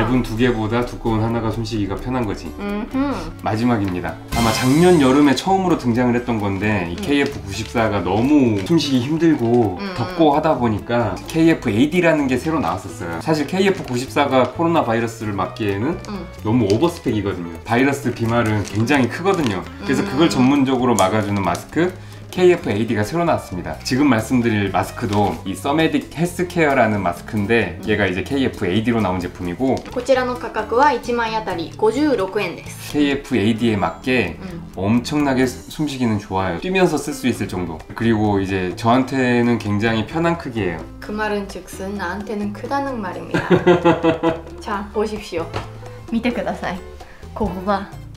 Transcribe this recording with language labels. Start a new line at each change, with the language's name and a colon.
Korean: 얇은 두 개보다 두꺼운 하나가 숨쉬기가 편한 거지 마지막입니다 아마 작년 여름에 처음으로 등장을 했던 건데 이 KF94가 너무 숨쉬기 힘들고 덥고 하다 보니까 KF80라는 게 새로 나왔었어요 사실 KF94가 코로나 바이러스를 막기에는 너무 오버스펙이거든요 바이러스 비말은 굉장히 크거든요 그래서 그걸 전문적으로 막아주는 마스크 KF80가 새로 나왔습니다 지금 말씀드릴 마스크도 이 써메딕 헬스케어라는 마스크인데 얘가 이제 KF80로 나온 제품이고
Japanese: こちらの価格は1枚あたり56円です
Korean: KF80에 맞게 엄청나게 숨쉬기는 좋아요 뛰면서 쓸 수 있을 정도 그리고 이제 저한테는 굉장히 편한 크기예요 그 말은 즉슨 나한테는 크다는 말입니다 자 보십시오
Japanese: 見てください
Korean: 고구마